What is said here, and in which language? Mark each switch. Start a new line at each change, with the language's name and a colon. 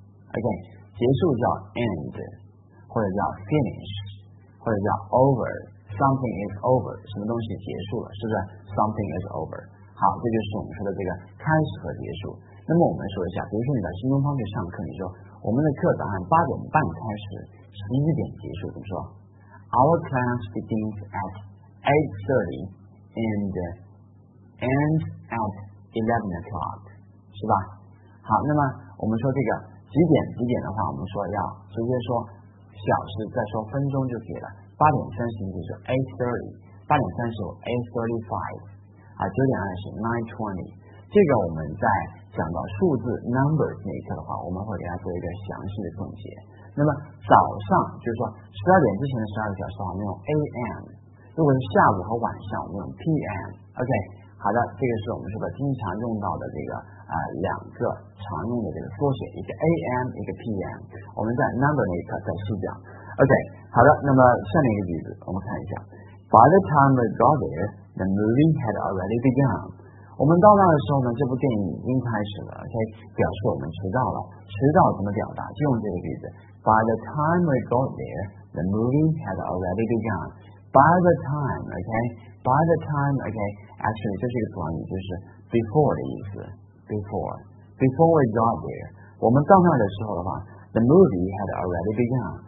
Chinese: OK， 结束叫 end， 或者叫 finish， 或者叫 over。
English: Something is over，
Chinese: 什么东西结束了，是不是
English: ？Something is over。
Chinese: 好，这就是我们说的这个开始和结束。那么我们说一下，比如说你在新东方去上课，你说我们的课早上8:30开始，11:结束，怎么说
English: Our class begins at 8:30 and ends at 11 o'clock.
Chinese: 是吧？好，那么我们说这个几点几点的话，我们说要直接说小时再说分钟就可以了。八点三十就是 8:30， 八点三十 8:35， 啊，九点二十 9:20。这个我们在讲到数字 numbers 那一刻的话，我们会给大家做一个详细的总结。那么早上就是说十二点之前的十二个小时的话，我们用 AM； 如果是下午和晚上，我们用 PM。 OK， 好的，这个是我们说的经常用到的这个两个常用的这个缩写，一个 AM， 一个 PM。我们在 number 那一刻再细讲。OK， 好的，那么下面一个例子，我们看一下。
English: By the time we got there, the movie had already begun。
Chinese: 我们到那的时候呢，这部电影已经开始了。 OK， 表示我们迟到了。迟到怎么表达？就用这个句子。
English: By the time we got there, the movie had already begun. By the time, OK, by the time, OK, actually
Chinese: 这是一个短语，就是 before 的意思。
English: Before, before we got there,
Chinese: 我们到那的时候的话
English: ，the movie had already begun.